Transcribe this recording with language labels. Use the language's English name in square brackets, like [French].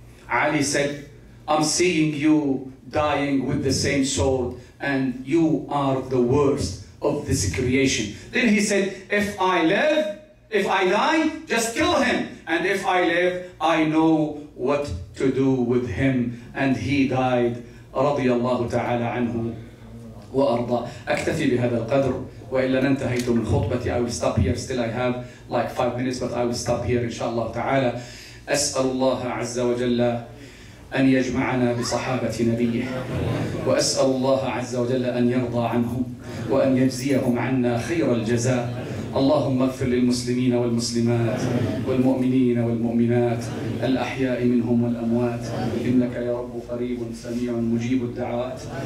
[English] Ali said, I'm seeing you dying with the same sword and you are the worst of this creation. Then he said, if I die, just kill him. And if I live, I know what to do with him. And he died. [Arabic] رضي الله تعالى عنه وأرضى. أكتفي بهذا القدر وإلا ننتهيت من خطبتي. [English] I will stop here. Still I have like 5 minutes, but I will stop here [Arabic] إن شاء الله تعالى. أسأل الله عز وجل أن يجمعنا بصحابة نبيه، وأسأل الله عز وجل أن يرضى عنهم وأن يجزيهم عنا خير الجزاء. اللهم اغفر للمسلمين والمسلمات والمؤمنين والمؤمنات الأحياء منهم والأموات، إنك يا رب قريب سميع مجيب الدعوات.